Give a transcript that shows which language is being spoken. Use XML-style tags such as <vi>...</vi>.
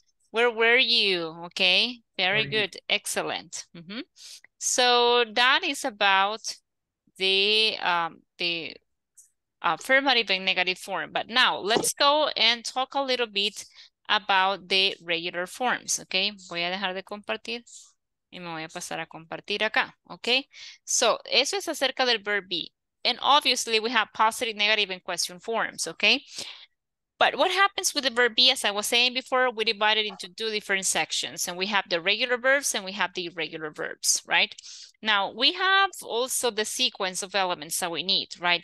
<en>Where were you? Okay, very good. Excellent. Mm-hmm. So that is about the affirmative and negative form. But now let's go and talk a little bit about the regular forms.</en> <es>Okay, voy a dejar de compartir y me voy a pasar a compartir acá. Okay, so eso es acerca del verb be.</es> <en>And obviously we have positive, negative, and question forms. Okay. But what happens with the verb be, as I was saying before, we divide it into two different sections and we have the regular verbs and we have the irregular verbs, right? Now we have also the sequence of elements that we need, right?</en>